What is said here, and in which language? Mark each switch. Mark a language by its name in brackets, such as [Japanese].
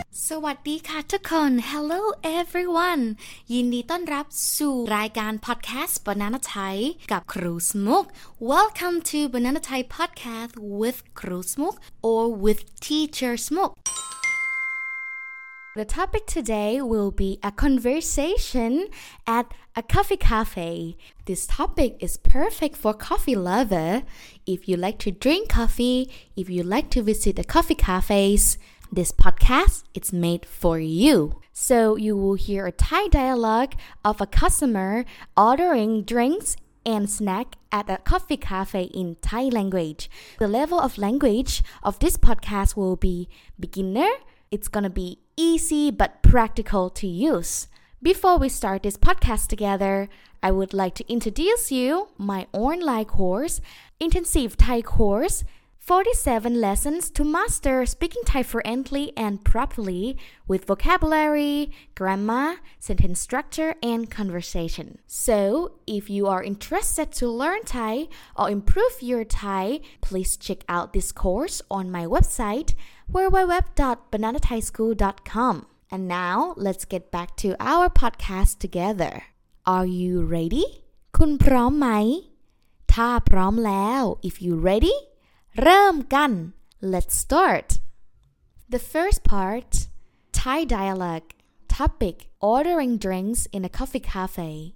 [Thai] สวัสดีค่ะทุกคน [English] Hello everyone [Thai] ยินดีต้อนรับสู่รายการ [English] podcast Banana Thai [Thai] กับครูสมุก [English] Welcome to Banana Thai podcast with ครูสมุก or with teacher สมุก The topic today will be a conversation at a coffee cafe. This topic is perfect for coffee lover. If you like to drink coffee, if you like to visit the coffee cafes,This podcast is made for you. So you will hear a Thai dialogue of a customer ordering drinks and snack at a coffee cafe in Thai language. The level of language of this podcast will be beginner. It's gonna be easy but practical to use. Before we start this podcast together, I would like to introduce you my online course, Intensive Thai Course,47 lessons to master speaking Thai fluently and properly with vocabulary, grammar, sentence structure, and conversation. So, if you are interested to learn Thai or improve your Thai, please check out this course on my website, www.bananathaischool.com. And now, let's get back to our podcast together. Are you ready? [Thai] คุณพร้อมไหม? ถ้าพร้อมแล้ว, [English] if you're ready, [Thai] เริ่มกัน [English] Let's start. The first part, Thai dialogue. Topic, ordering drinks in a coffee cafe.